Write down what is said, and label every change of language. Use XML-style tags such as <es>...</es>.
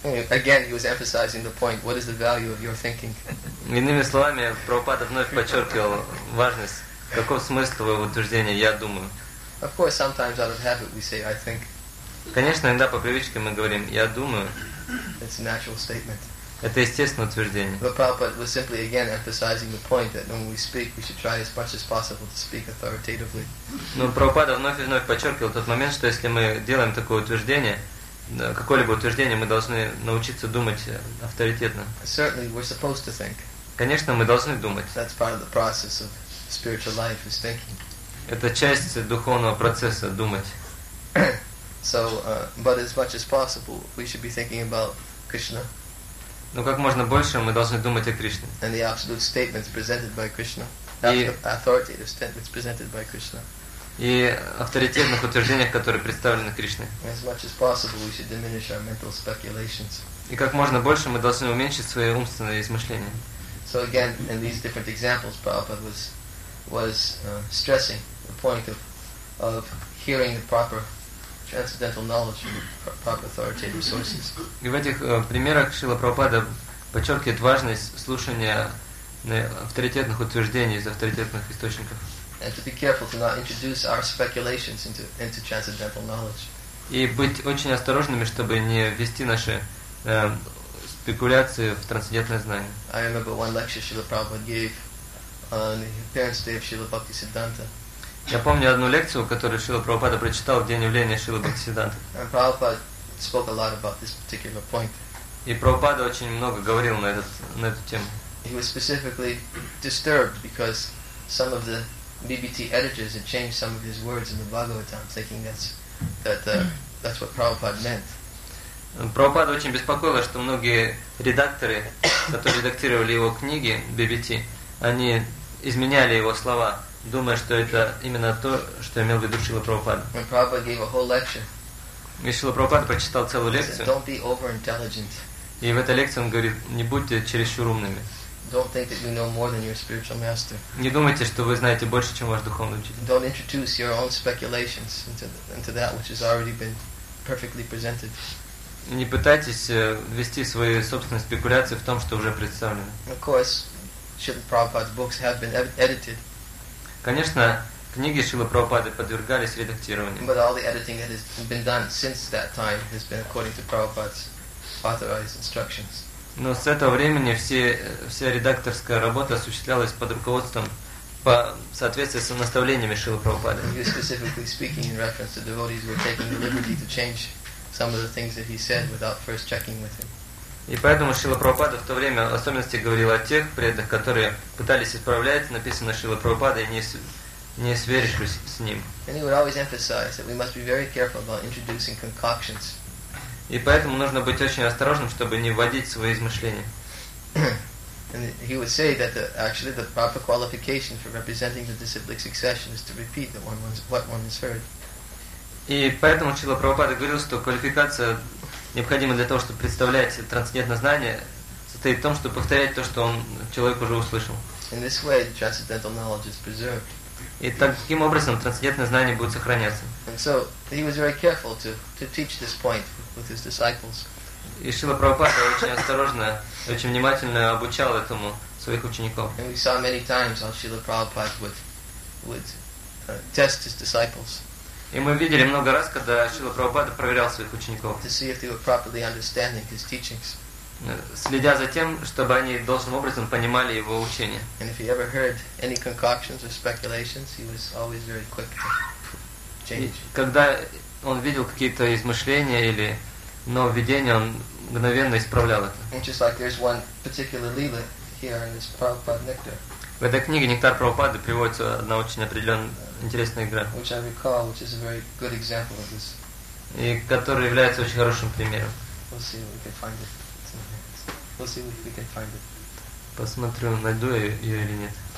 <en>Again, he was emphasizing the point. What is the value of your thinking?</en> <ru>Иными словами, Прабхупада вновь подчеркивал важность. Каков смысл твоего утверждения "Я думаю"?</ru> <en>Of course, sometimes out of habit we say "I think."</en> <ru>Конечно, иногда по привычке мы говорим "я думаю".</ru> <en>It's a natural statement.</en> <ru>Это естественное утверждение.</ru> <en>But Prabhupada was simply again emphasizing the point that when we speak, we should try as much as possible to speak authoritatively.</en> <ru>Но Прабхупада вновь и вновь подчеркивал тот момент, что если мы делаем такое утверждение, какое-либо утверждение, мы должны научиться думать авторитетно.</ru> <en>Certainly, we're supposed to think.</en> <ru>Конечно, мы должны думать.</ru> <en>That's part of the process of spiritual life is thinking.</en> <ru>Это часть духовного процесса думать.</ru> <en>So, but as much as possible, we should be thinking about Krishna.</en> <ru>Но как можно больше мы должны думать о Кришне.</ru> <en>And the absolute statements presented by Krishna. Authoritative statements presented by Krishna.</en> <ru>И авторитетных утверждениях, которые представлены Кришной.</ru> <en>And as much as possible, we should diminish our mental speculations.</en> <ru>И как можно больше мы должны уменьшить свои умственные измышления.</ru> <en>So again, in these different examples, Prabhupada was stressing the point of hearing the proper transcendental knowledge from proper authoritative sources.</en> <ru>И в этих примерах Шрила Прабхупада подчеркивает важность слушания авторитетных утверждений из авторитетных источников.</ru> <en>And to be careful to not introduce our speculations into transcendental knowledge.</en> <ru>И быть очень осторожными, чтобы не ввести наши спекуляции в трансцендентное знание.</ru> <en>I remember one lecture Srila Prabhupada gave on the appearance day of Srila Bhaktisiddhanta.</en> <ru>Я помню одну лекцию, которую Шрила Прабхупада прочитал в день явления Шрилы Бхактисиддханты.</ru> <en>And Prabhupada spoke a lot about this particular point.</en> <ru>И Прабхупада очень много говорил на эту тему.</ru> <en>He was specifically disturbed because some of the BBT editors had changed some of his words in the Bhagavatam, thinking that's what Prabhupada meant.</en> <ru>Прабхупада очень беспокоило, что многие редакторы, которые редактировали его книги BBT, они изменяли его слова, думая, что это именно то, что имел в виду Шрила Прабхупада.</ru> <en>When Prabhupada gave a whole lecture,</en> <ru>и Шрила Прабхупада прочитал целую лекцию.</ru> <en>Don't be over-intelligent.</en> <ru>И в этой лекции он говорит: не будьте чересчур умными.</ru> <en>Don't think that you know more than your spiritual master.</en> <ru>Не думайте, что вы знаете больше, чем ваш духовный учитель.</ru> <en>Don't introduce your own speculations into that which has already been perfectly presented.</en> <ru>Не пытайтесь ввести свои собственные спекуляции в том, что уже представлено.</ru> <en>Of course, Srila Prabhupada's books have been edited.</en> <ru>Конечно, книги Шрилы Прабхупады подвергались редактированию.</ru> <en>But all the editing that has been done since that time has been according to Prabhupada's authorized instructions.</en> <ru>Но с этого времени вся редакторская работа осуществлялась под руководством, по соответствии с наставлениями Шрилы Прабхупады.</ru> <en>He was specifically speaking in reference to devotees who were taking the liberty to change some of the things that he said without first checking with him.</en> <ru>И поэтому Шрила Прабхупада в то время в особенности говорил о тех преданных, которые пытались исправлять написанное Шрилой Прабхупадой, не сверившись с ним.</ru> <en>And he would always emphasize that we must be very careful about introducing concoctions.</en> <ru>И поэтому нужно быть очень осторожным, чтобы не вводить свои измышления.</ru> <en>And he would say that actually the proper qualification for representing the disciplic succession is to repeat what one has heard.</en> <ru>И поэтому Шрила Прабхупада говорил, что квалификация, необходимая для того, чтобы представлять трансцендентное знание, состоит в том, чтобы повторять то, что он человек уже услышал.</ru> <en>In this way, transcendental knowledge is preserved.</en> <ru>И таким образом трансцендентное знание будет сохраняться.</ru> <en>And so he was very careful to teach this point with his disciples.</en> <ru>И Шрила Прабхупада очень осторожно, очень внимательно обучал этому своих учеников.</ru> <en>And we saw many times how Srila Prabhupada would test his disciples.</en> <ru>И мы видели много раз, когда Шрила Прабхупада проверял своих учеников,</ru> <en>to see if they were properly understanding his teachings.</en> <ru>Следя за тем, чтобы они должным образом понимали его учение.</ru> <en>And if he ever heard any concoctions or speculations, he was always very quick to change.</en> <ru>И когда он видел какие-то измышления или нововведения, он мгновенно исправлял это.</ru> <en>And just like there's one particular lila here in this Prabhupada Nectar.</en> <ru>В этой книге «Нектар Прабхупады» приводится одна очень определенная интересная игра,</ru> <en>which I recall, which is a very good example of this.</en> <ru>И которая является очень хорошим примером.</ru> <en>We'll see if we can find it. We'll see if we can find it.</en> <ru>Посмотрю, найду я ее или нет.</ru>